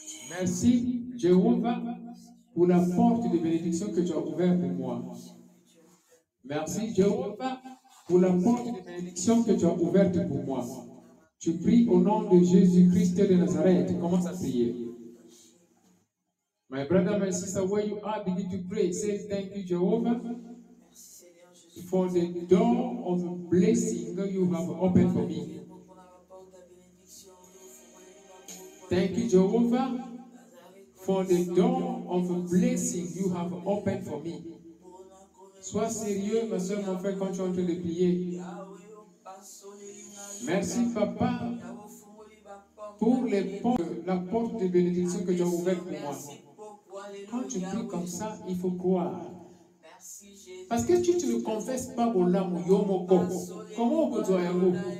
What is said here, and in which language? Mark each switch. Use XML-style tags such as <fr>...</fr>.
<fr>Merci, Jéhovah, pour la porte de bénédiction que tu as ouverte pour moi. Merci, Jéhovah, pour la porte de bénédiction que tu as ouverte pour moi. Tu pries au nom de Jésus-Christ de Nazareth. Commence à prier.</fr> <en>My brother, my sister, where you are, begin to pray. Say thank you, Jehovah, for the door of blessing you have opened for me. Thank you, Jehovah, for the door of blessing you have opened for me.</en> <fr>Sois sérieux, ma soeur, mon frère, quand tu es en train de prier. Merci, Papa, pour les portes, la porte de bénédiction que tu as ouverte pour moi. Quand tu pries comme ça, il faut croire. Parce que si tu ne confesses pas au lame, yomoko, comment on peut te dire un mot?</fr>